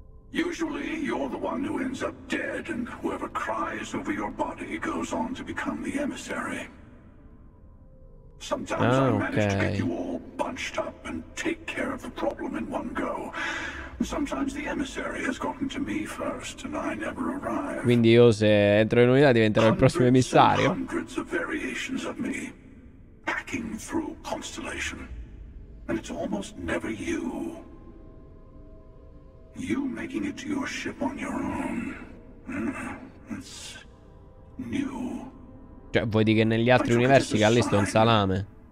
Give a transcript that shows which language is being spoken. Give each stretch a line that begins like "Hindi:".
English: Usually, you're the one who ends up dead, and whoever cries over your body goes on to become the emissary. Sometimes I manage to get you all bunched up and take care of the problem in one go. Sometimes the emissary has gotten to me first, and I never arrive.
Italian: Quindi io se entro in unità diventerò il prossimo emissario.
English: Hundreds of variations of me, hacking through Constellation, and it's almost never you. You making it to your ship on your own. It's new.
Italian: Cioè, vuoi dire che negli altri universi Callisto è un salame?